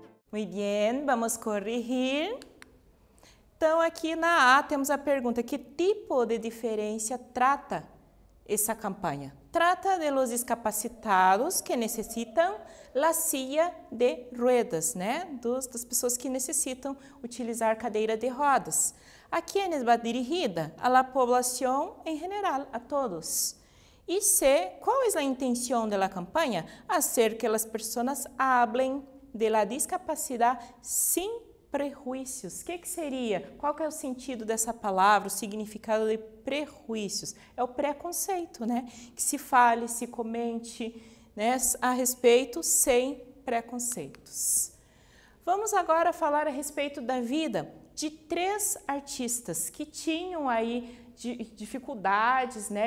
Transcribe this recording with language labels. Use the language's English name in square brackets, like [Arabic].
[Spanish] Muy bien, [Portuguese] vamos corrigir. Então, aqui na A, temos a pergunta, que tipo de diferença trata essa campanha? [Spanish] Trata de los discapacitados que necessitam la silla de ruedas, né? [Portuguese] Das pessoas que necessitam utilizar cadeira de rodas. [Spanish] A quienes va dirigida? A la población en general, a todos. [Portuguese] E C, qual é a intenção de la campanha? [Spanish] Hacer que las personas hablen de la discapacidad sin prejuízos. [Portuguese] O que, que seria? Qual que é o sentido dessa palavra, o significado de prejuízos? É o preconceito, né? Que se fale, se comente, né, a respeito sem preconceitos. Vamos agora falar a respeito da vida de três artistas que tinham aí dificuldades, né?